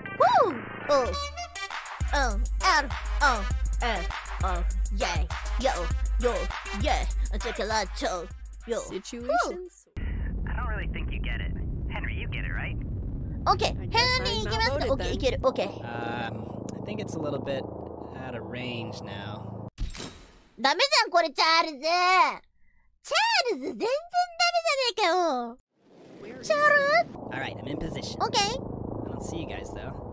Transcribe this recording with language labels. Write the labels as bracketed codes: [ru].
[en] Woo, oh, oh, out, oh, F, oh, yeah, yo, yo, yeah, I took a lot of yo. Situations? Woo. I don't really think you get it. Henry, you get it, right? Okay, Henry, give us the okay, you get it, okay. I think it's a little bit out of range now. [ja] ダメじゃん、これ、チャールズ。チャールズ、全然ダメじゃねえかよ。チャールズ。 [en] All right, I'm in position. Okay. I don't see you guys, though.